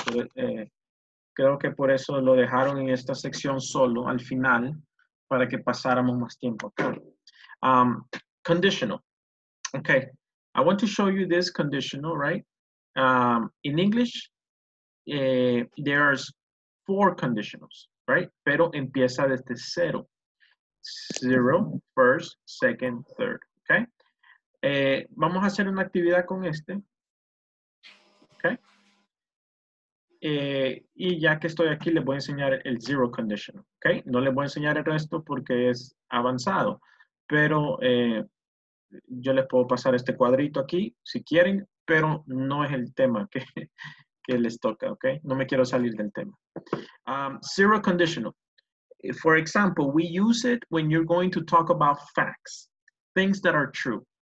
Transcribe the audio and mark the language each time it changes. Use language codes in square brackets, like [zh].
[es] Pero, creo que por eso lo dejaron en esta sección solo al final para que pasáramos más tiempo acá. [en] Conditional. Okay, I want to show you this conditional, right? In English, there's four conditionals, right? [es] Pero empieza desde cero. [en] Zero, first, second, third, okay? [es] Vamos a hacer una actividad con este, okay? Y ya que estoy aquí, les voy a enseñar el zero conditional, okay? No les voy a enseñar el resto porque es avanzado, pero yo les puedo pasar este cuadrito aquí si quieren, pero no es el tema que les toca, ¿ok? No me quiero salir del tema. Zero conditional. [en] For example, we use it when you're going to talk about facts, things that are true.